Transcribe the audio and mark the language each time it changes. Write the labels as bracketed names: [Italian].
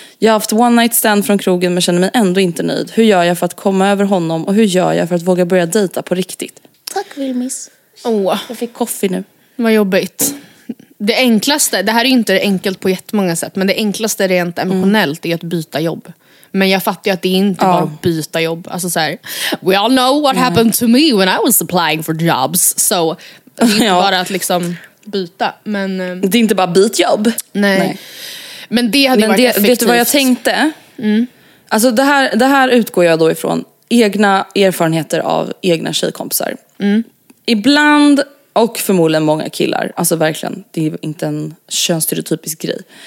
[Swedish] Jag har haft one night stand från krogen men känner mig ändå inte nöjd. Hur gör jag för att komma över honom och hur gör jag för att våga börja dejta på riktigt? Tack Vilmis. Oh. Jag fick kaffe nu. Vad jobbigt. Det enklaste, det här är ju inte enkelt på jättemånga sätt, men det enklaste rent emotionellt är att byta jobb. Men jag fattar ju att det inte bara att byta jobb. Alltså så här, [English] we all know what happened to me when I was applying for jobs. [Swedish] So, det är inte bara att liksom byta. Men, det är inte bara byt jobb. Nej. Men det hade varit effektivt. Vet du vad jag tänkte? Alltså det här utgår jag då ifrån egna erfarenheter av egna tjejkompisar. Ibland, och förmodligen många killar, alltså verkligen, det är inte en könsstereotypisk grej.